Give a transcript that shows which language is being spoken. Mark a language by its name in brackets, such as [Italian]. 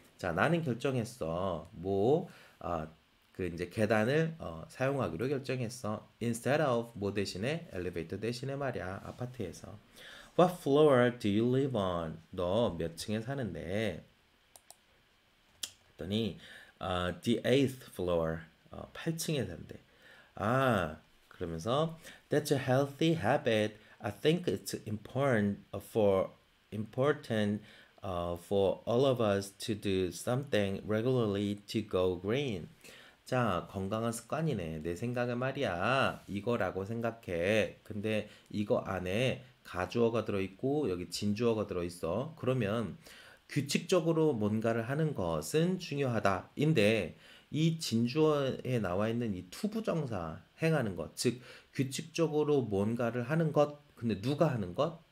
[Korean] 자, 나는 결정했어. 뭐, 그 이제 계단을 사용하기로 결정했어. [English] Instead of [Korean] 뭐 대신에? Elevator 대신에 말이야. 아파트에서. [English] What floor do you live on? [Korean] 너몇 층에 사는데? 그랬더니, [English] the eighth floor. [Korean] 8층에 산대. 아, 그러면서, [English] That's a healthy habit. I think it's important for all of us to do something regularly to go green. [Korean] 자, 건강한 습관이네. 내 생각에 말이야. 이거라고 생각해. 근데 이거 안에 가주어가 들어있고, 여기 진주어가 들어있어. 그러면 규칙적으로 뭔가를 하는 것은 중요하다인데, 이 진주어에 나와 있는 이 투부정사 행하는 것, 즉 규칙적으로 뭔가를 하는 것, 근데 누가 하는 것?